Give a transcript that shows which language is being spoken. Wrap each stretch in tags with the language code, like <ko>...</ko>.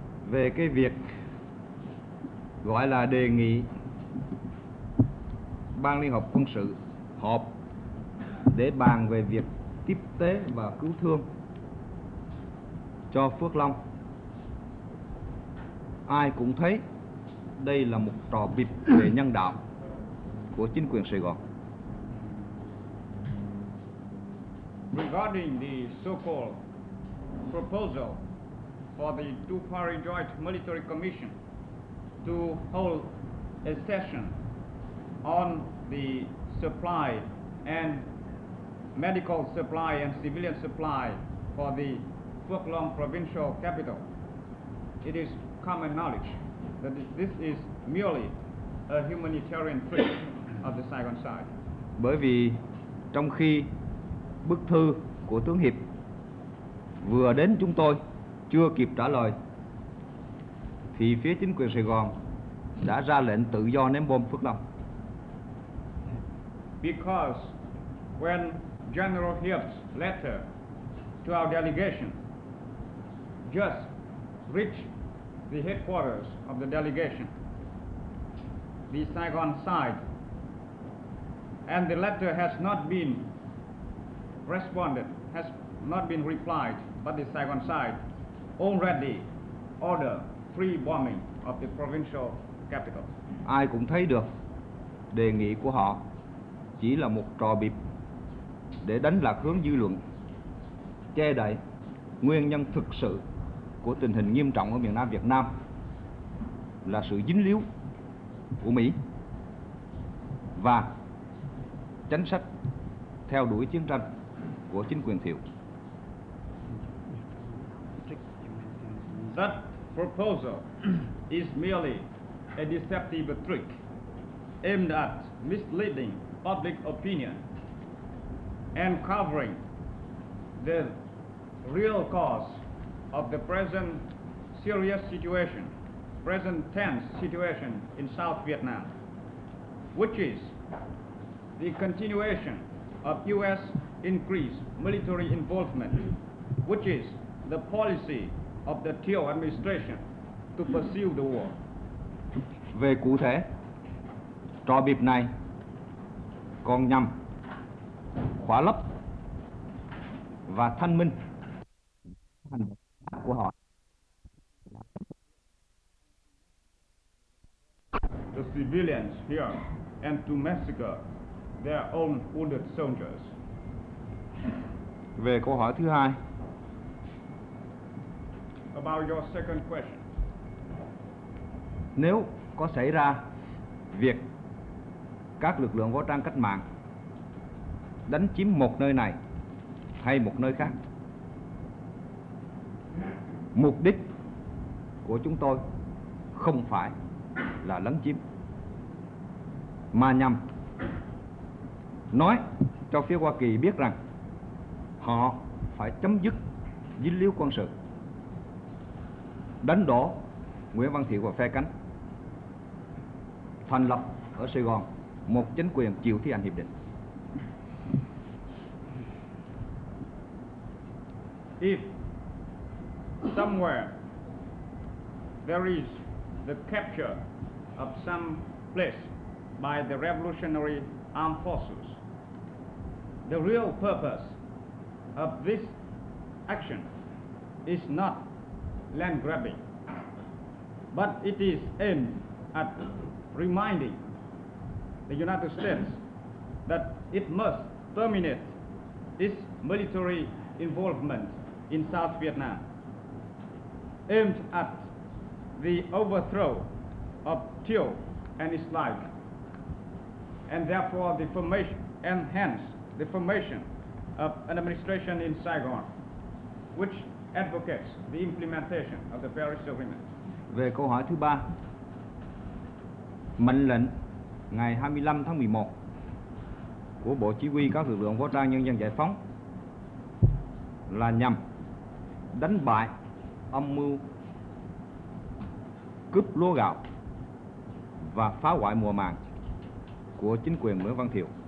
<vi>Về cái việc gọi là đề nghị Ban Liên Hợp Quân Sự họp để bàn về việc tiếp tế và cứu thương cho Phước Long. Ai cũng thấy đây là một trò bịp về nhân đạo của chính quyền Sài Gòn.</vi> <en>Regarding the so-called proposal for the two-party joint military commission to hold a session on the supply and medical supply and civilian supply for the Phước Long provincial capital, it is common knowledge that this is merely a humanitarian trip of the Saigon side.</en> <vi>Bởi vì trong khi bức thư của tướng Hiệp vừa đến chúng tôi chưa kịp trả lời thì phía chính quyền Sài Gòn đã ra lệnh tự do ném bom Phước Long.</vi> <en>Because when General Hiệp's letter to our delegation just reached the headquarters of the delegation, the Saigon side, and the letter has not been responded, has not been replied, but the Saigon side already ordered free bombing of the provincial capital.</en> <vi>Ai cũng thấy được đề nghị của họ chỉ là một trò bịp để đánh lạc hướng dư luận, che đậy nguyên nhân thực sự của tình hình nghiêm trọng ở miền Nam Việt Nam là sự dính líu của Mỹ và chính sách theo đuổi chiến tranh của chính quyền Thiệu.</vi> <en>That proposal is merely a deceptive trick aimed at misleading public opinion and covering the real cause of the present serious situation, present tense situation in South Vietnam, which is the continuation of U.S. increased military involvement, which is the policy of the Thieu administration to pursue the war.</en> <vi>Về cụ thể, trò bịp này còn nhằm khóa lấp và thanh minh của họ.</vi> <en>The civilians here and to massacre their own wounded soldiers.</en> <vi>Về câu hỏi thứ hai.</vi> <en>About your second question.</en> <vi>Nếu có xảy ra việc các lực lượng võ trang cách mạng đánh chiếm một nơi này hay một nơi khác, mục đích của chúng tôi không phải là lấn chiếm, mà nhằm nói cho phía Hoa Kỳ biết rằng họ phải chấm dứt dính líu quân sự, đánh đổ Nguyễn Văn Thiệu và phe cánh, thành lập ở Sài Gòn một chính quyền chịu thi hành hiệp định.</vi> <en>If somewhere there is the capture of some place by the Revolutionary Armed Forces, the real purpose of this action is not land grabbing, but it is aimed at reminding the United States that it must terminate its military involvement in South Vietnam, aimed at the overthrow of Thieu and his like, and therefore the formation, and hence the formation of an administration in Saigon, which advocates the implementation of the Paris Agreement.</en> <vi>Về câu hỏi thứ ba, mệnh lệnh ngày 25 tháng 11 của Bộ Chỉ huy các lực lượng vũ trang nhân dân giải phóng là nhằm đánh bại âm mưu cướp lúa gạo và phá hoại mùa màng của chính quyền Nguyễn Văn Thiệu.</vi>